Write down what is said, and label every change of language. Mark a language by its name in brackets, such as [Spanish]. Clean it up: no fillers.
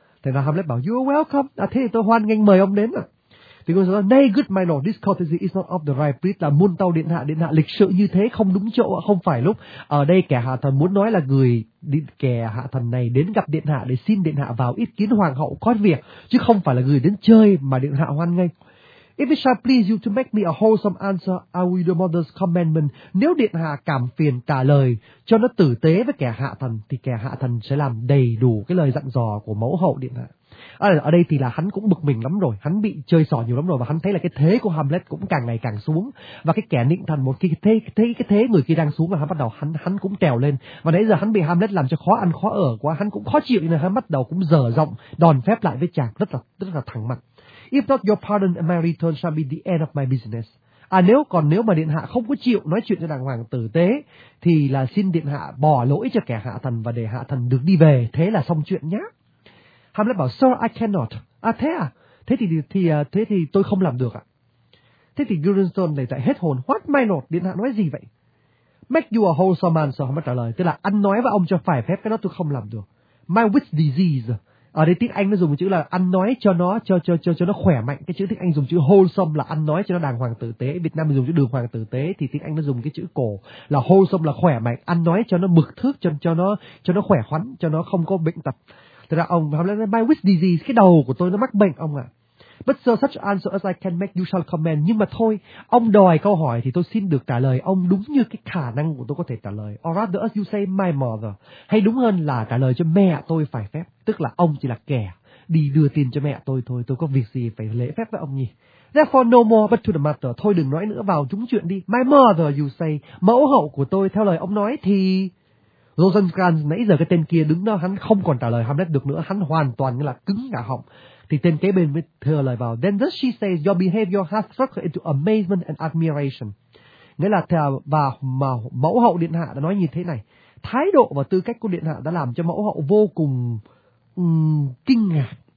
[Vietnamese] Thành ra Hamlet bảo: [English] you are welcome, [Vietnamese] à thế tôi hoan nghênh mời ông đến. Thì cô sẽ nói: [English] nay good my lord, this courtesy is not of the right breed. [Vietnamese] Là muôn tàu điện hạ lịch sự như thế không đúng chỗ, không phải lúc. Ở đây kẻ hạ thần muốn nói là gửi kẻ hạ thần này đến gặp điện hạ để xin điện hạ vào ý kiến hoàng hậu có việc, chứ không phải là gửi đến chơi mà điện hạ hoan nghênh. [English] If it shall please you to make me a wholesome answer, I will your mother's commandment. [Vietnamese] Nếu điện hạ cảm phiền trả lời cho nó tử tế với kẻ hạ thần, thì kẻ hạ thần sẽ làm đầy đủ cái lời dặn dò của mẫu hậu điện hạ. Ở đây thì là hắn cũng bực mình lắm rồi, hắn bị chơi xỏ nhiều lắm rồi, và hắn thấy là cái thế của Hamlet cũng càng ngày càng xuống, và cái kẻ nịnh thần một khi thấy cái thế người kia đang xuống, và hắn bắt đầu hắn cũng trèo lên. Và nãy giờ hắn bị Hamlet làm cho khó ăn khó ở quá, hắn cũng khó chịu, nên hắn bắt đầu cũng dở giọng đòn phép lại với chàng rất là thẳng mặt. [English] If not your pardon and my return shall be the end of my business. [Vietnamese] À, nếu mà điện hạ không có chịu nói chuyện cho đàng hoàng tử tế thì là xin điện hạ bỏ lỗi cho kẻ hạ thần và để hạ thần được đi về, thế là xong chuyện nhá. Hamlet bảo [English] sir I cannot. [Vietnamese] À thế à, thế thì tôi không làm được ạ. Thế thì Guildenstern này lại hết hồn. [English] What my lord, [Vietnamese] điện hạ nói gì vậy? [English] Make you a wholesome man, sir, [Vietnamese] Hamlet trả lời, tức là ăn nói với ông cho phải phép, cái đó tôi không làm được. [English] My wit's disease. [Vietnamese] Ở đây tiếng Anh nó dùng chữ là ăn nói cho nó khỏe mạnh. Cái chữ tiếng Anh dùng chữ wholesome là ăn nói cho nó đàng hoàng tử tế. Việt Nam mình dùng chữ đường hoàng tử tế thì tiếng Anh nó dùng cái chữ cổ là wholesome là khỏe mạnh, ăn nói cho nó mực thước, cho nó khỏe khoắn, cho nó không có bệnh tật. Thật ra ông Hamlet nói [English] my wish disease, [Vietnamese] cái đầu của tôi nó mắc bệnh ông ạ. [English] But sir, such answer as I can make you shall command. [Vietnamese] Nhưng mà thôi, ông đòi câu hỏi thì tôi xin được trả lời ông đúng như cái khả năng của tôi có thể trả lời. [English] Or rather as you say my mother. [Vietnamese] Hay đúng hơn là trả lời cho mẹ tôi phải phép. Tức là ông chỉ là kẻ đi đưa tiền cho mẹ tôi thôi. Tôi có việc gì phải lễ phép với ông nhỉ? [English] Therefore no more but to the matter. [Vietnamese] Thôi đừng nói nữa, vào chúng chuyện đi. [English] My mother you say. [Vietnamese] Mẫu hậu của tôi theo lời ông nói thì... Rosencrantz nãy giờ cái tên kia đứng đó, hắn không còn trả lời Hamlet được nữa. Hắn hoàn toàn như là cứng cả họng. Thì tên kế bên mới thừa lời vào. [English] Then does she say your behavior has struck her into amazement and admiration? [Vietnamese] Nghĩa là theo bà mà mẫu hậu điện hạ đã nói như thế này. Thái độ và tư cách của điện hạ đã làm cho mẫu hậu vô cùng kinh ngạc.